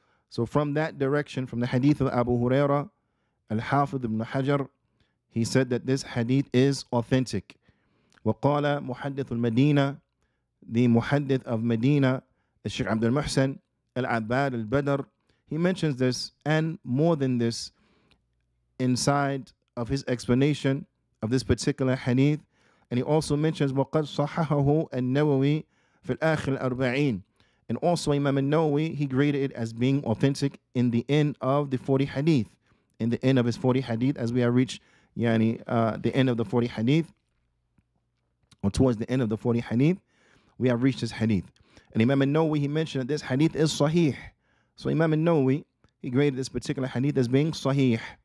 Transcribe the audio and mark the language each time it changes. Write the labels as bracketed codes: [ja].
[en] So from that direction, from the hadith of Abu Hurairah, Al-Hafidh ibn Hajar, he said that this hadith is authentic. [ar] وَقَالَ مُحَدِّثُ الْمَدِينَةِ, [en] the muhaddith of Medina, Sheikh Abdul Muhsin Al-Abbad Al-Badr, he mentions this and more than this inside of his explanation of this particular hadith. And he also mentions [ar] وَقَدْ صَحَحَهُ النَّوَوِي فِي الْآخِرِ الْأَرْبَعِينَ. [en] And also Imam al-Nawawi, he graded it as being authentic in the end of the 40 hadith. In the end of his 40 hadith, as we have reached the end of the 40 hadith, or towards the end of the 40 hadith, we have reached his hadith. And Imam al-Nawawi, he mentioned that this hadith is sahih. So Imam al-Nawawi, he graded this particular hadith as being sahih.